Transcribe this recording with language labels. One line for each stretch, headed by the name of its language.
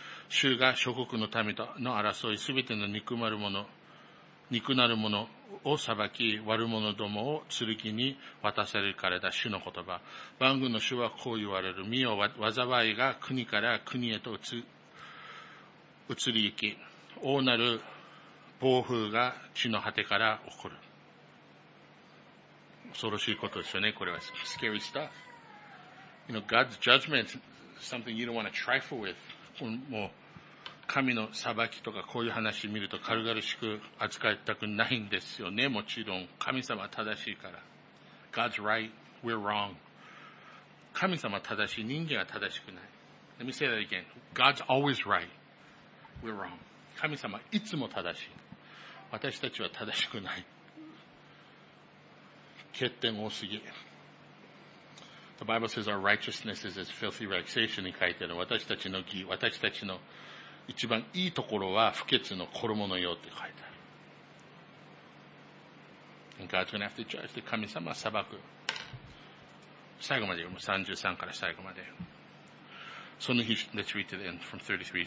Japanese: 主が諸国の民との争い、すべての憎なる者を裁き、悪者どもを剣に渡されるからだ。主の言葉。万軍の主はこう言われる。見よ、災いが国から国へと移り行き、大なる暴風が地の果てから起こる。恐ろしいことですよね、これは。
English: Scary stuff. You know, God's judgment is something you don't want to trifle with.
Japanese: もう、神の裁きとかこういう話を見ると軽々しく扱いたくないんですよね、もちろん。神様は正しいから。
English: God's right, we're wrong.
Japanese: 神様は正しい、人間は正しくない。
English: Let me say that again. God's always right, we're wrong.
Japanese: 神様はいつも正しい。私たちは正しくない。欠点多すぎ。
English: The Bible says our righteousness is as filthy rags.
Japanese: 聖書に書いてある私たちの義、私たちの一番いいところは不潔の衣のようって書いてある。
English: And God's going to have to judge.
Japanese: 神様は裁く。最後まで読む。 33から最後まで。その日、
English: Let's read to the end from 33.